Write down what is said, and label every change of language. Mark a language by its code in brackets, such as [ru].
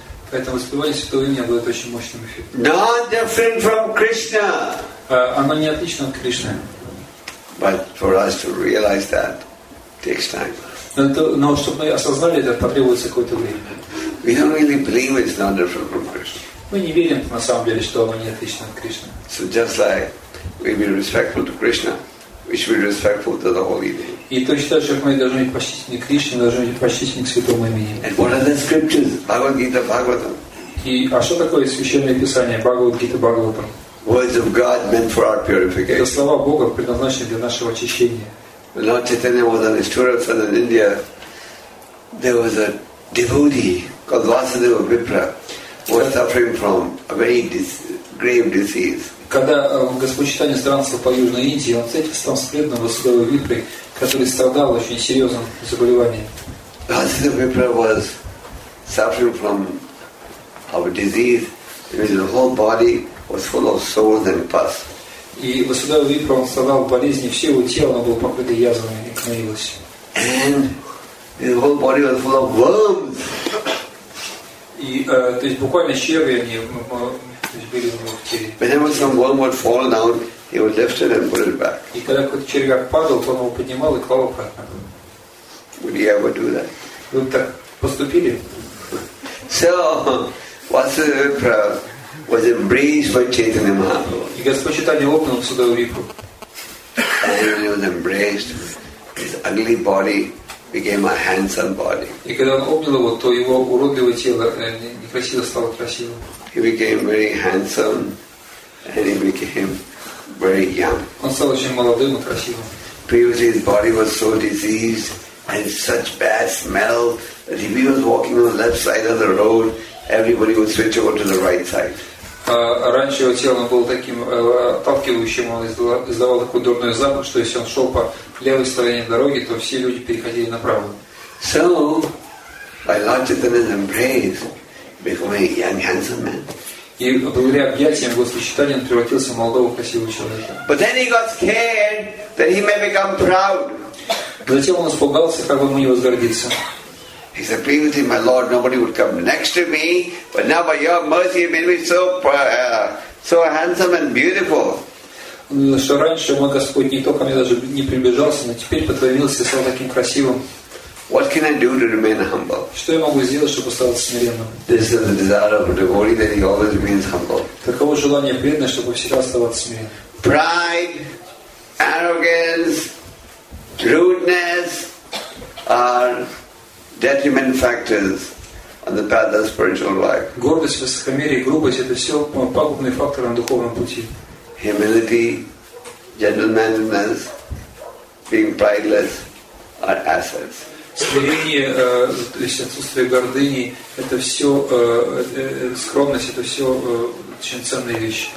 [ru] Поэтому воспевание святого имени будет очень мощным эффектом. [en] Not different from Krishna. [ru] Она не отлична от Кришны. [en] But for us to realize that takes time. [ru] Но чтобы мы осознали это, потребуется какое-то время. [en] We don't really believe it's not different from Krishna. [ru] Мы не верим, на самом деле, что оно не отлично от Кришны. [en] So just like we be respectful to Krishna, we should be respectful to the holy name. [ru] И точно так же, как мы должны быть почтительны к Кришне, должны быть почтительны к святому имени. [en] And what are the scriptures? Bhagavad Gita, Bhagavatam. [ru] И а что такое священное писание? [en] Bhagavad Gita, Bhagavatam. Words of God meant for our purification. [ru] Это слова Бога, предназначенные для нашего очищения. [en] When Lord Chaitanya was on his tour of southern India, there was a devotee called Vasudeva Vipra. Was suffering from a very grave disease. [ru] Когда Господь Чайтанья странствовал по Южной Индии, он встретил там смертного Васудева Випру, который страдал очень серьезным заболеванием. [en] Васудева Випра was suffering from a disease in which the whole body was full of sores and pus. [ru] И Васудева Випра он страдал болезнью, все его тело оно было покрыто язвами и гноилось. [en] And his whole body was full of worms. [ru] И, то есть буквально черви они были в теле. [en] Whenever some worm would fall down, he would lift it and put it back. [ru] И когда какой-то червяк падал, то он его поднимал и клал обратно. [en] Would you ever do that? [ru] Вы так поступили? [en] So, Vasudeva Vipra was embraced by Chaitanya Mahaprabhu. [ru] И Господь Чайтанья обнял Васудеву Випру. [en] And when he was embraced, his ugly body became a handsome body. [ru] И когда он обнял его, то его уродливое тело некрасиво стало красивым. [en] He became very handsome, and he became very young. [ru] Он стал очень молодым и красивым. [en] Previously his body was so diseased and such bad smell that if he was walking on the left side of the road, everybody would switch over to the right side. [ru] Раньше его тело было таким отталкивающим, он издавал такой дурной запах, что если он шел по левой стороне дороги, то все люди переходили направо. [en] So, by Lord Chaitanya's embrace, became a young, handsome man. [ru] И благодаря объятиям Господа Чайтанья превратился в молодого красивого человека. [en] But then he got scared that he may become proud. [ru] Затем он испугался, как бы ему не возгордиться. [en] He said, "Previously, my Lord, nobody would come next to me, but now, by Your mercy, you made me so so handsome and beautiful." [ru] Что раньше мой Господь никто ко мне даже не приближался, но теперь по Твоей милости стал таким красивым. [en] What can I do to remain humble? [ru] Что я могу сделать, чтобы стать смиренным? [en] This is the desire of a devotee that he always remains humble. [ru] Таково желание преданного, чтобы всегда оставаться смиренным. [en] Pride, arrogance, rudeness are detriment factors on the path of spiritual life. [ru] Гордость, высокомерие, грубость — это все пагубные факторы на духовном пути. [en] Humility, gentlemanliness, being prideless are assets. [ru] Смирение, то есть отсутствие гордыни, это все скромность, это все очень ценные вещи.